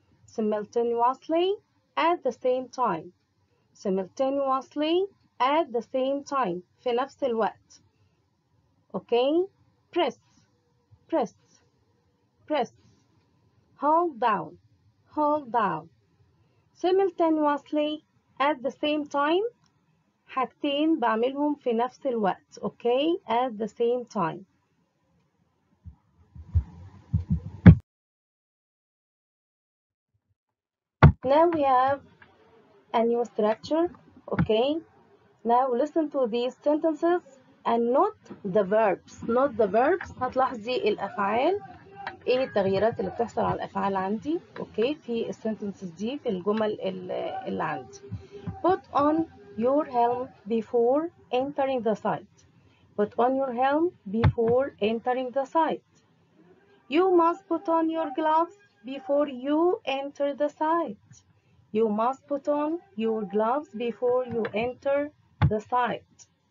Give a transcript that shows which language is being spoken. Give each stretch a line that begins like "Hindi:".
English: Simultaneously at the same time. Simultaneously at the same time.
Arabic: في نفس الوقت.
English: Okay. Press. Press. Press. Hold down. Hold down. Simultaneously at the same time.
Arabic: حاجتين بعملهم في نفس الوقت.
English: Okay. At the same time. Now we have a new structure, okay? Now listen to these sentences and note the verbs. Note the verbs.
Arabic: هتلاحظي الأفعال. إيه التغييرات اللي بتحصل على الأفعال عندي, okay, في السنتنسز دي, في الجمل اللي عندي.
English: Put on your helm before entering the site. Put on your helm before entering the site. You must put on your gloves before you enter the site. You must put on your gloves before you enter the site.